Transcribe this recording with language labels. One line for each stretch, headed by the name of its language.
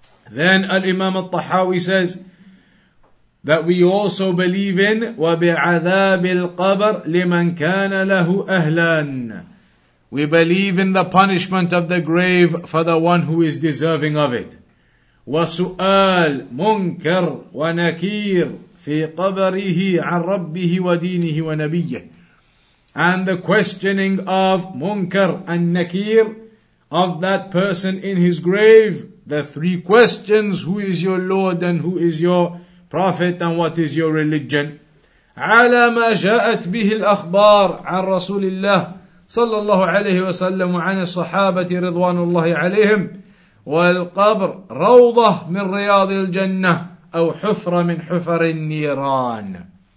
English: Then Al-Imam Al-Tahawi says that we also believe in
Arabic: وَبِعَذَابِ الْقَبَرْ لِمَنْ كَانَ لَهُ أَهْلًا.
English: We believe in the punishment of the grave for the one who is deserving of it.
Arabic: وسؤال منكر ونكير في قبره عن ربه ودينه ونبيه.
English: And the questioning of Munkar and Nakir of that person in his grave, the three questions, who is your Lord and who is your Prophet and what is your religion?
Arabic: عَلَى مَا جَاءَتْ بِهِ الْأَخْبَارِ عَنْ رَسُولِ اللَّهِ صَلَّى اللَّهُ عَلَيْهِ وَسَلَّمُ عَنِ الصَّحَابَةِ رِضْوَانُ اللَّهِ عَلَيْهِمْ وَالْقَبْرِ رَوْضَةٌ مِنْ رِيَاضِ الْجَنَّةِ أَوْ حُفْرَةٌ مِنْ حُفَرِ النِّيرَانِ.